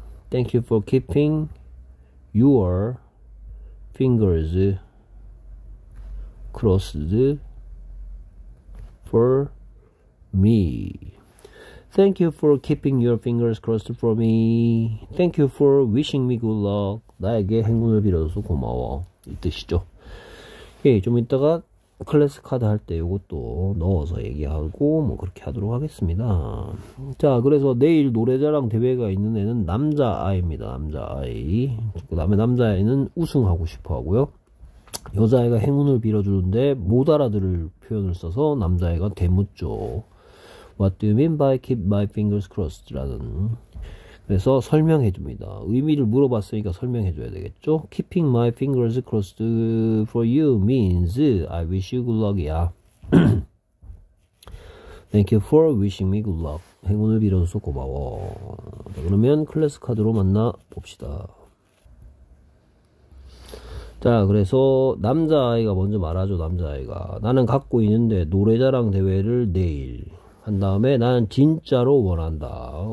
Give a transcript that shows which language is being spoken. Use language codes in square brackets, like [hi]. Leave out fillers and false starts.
[en] Thank you for keeping your fingers crossed for me. Thank you for keeping your fingers crossed for me. Thank you for wishing me good luck. [ko] 나에게 행운을 빌어줘서 고마워. 이 뜻이죠. 예, 좀 이따가 클래스 카드 할 때 이것도 넣어서 얘기하고 뭐 그렇게 하도록 하겠습니다. 자, 그래서 내일 노래자랑 대회가 있는 애는 남자아이입니다. 남자아이. 그 다음에 남자아이는 우승하고 싶어 하고요. 여자애가 행운을 빌어주는데 못 알아들을 표현을 써서 남자애가 대묻죠. [en] What do you mean by keep my fingers crossed? [ko] 라는. 그래서 설명해 줍니다. 의미를 물어봤으니까 설명해 줘야 되겠죠? [en] Keeping my fingers crossed for you means I wish you good luck, yeah. Thank you for wishing me good luck. [ko] 행운을 빌어줘서 고마워. 자, 그러면 클래스 카드로 만나 봅시다. 자, 그래서 남자아이가 먼저 말하죠, 남자아이가. 나는 갖고 있는데 노래자랑 대회를 내일. 한 다음에 난 진짜로 원한다.